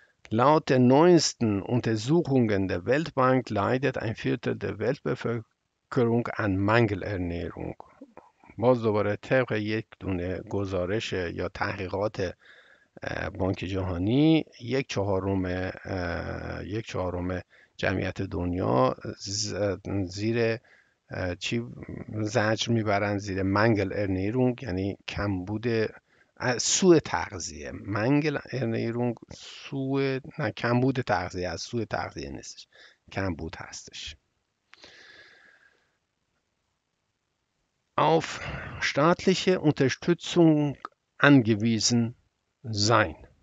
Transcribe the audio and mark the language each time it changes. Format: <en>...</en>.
<de>Laut den neuesten Untersuchungen der Weltbank leidet ein Viertel der Weltbevölkerung an Mangelernährung.</de> <fa>باز دوباره طبق یک دونه گزارش یا تحقیقات بانک جهانی یک چهارم جمعیت دنیا زیر چی زجر میبرن؟ زیر منگل ارنیرونگ، یعنی کمبود سوء تغذیه. منگل ارنیرونگ سوء، نه کمبود تغذیه، از سوء تغذیه نیستش، کمبود هستش.</fa> <de>auf staatliche Unterstützung angewiesen sein.</de>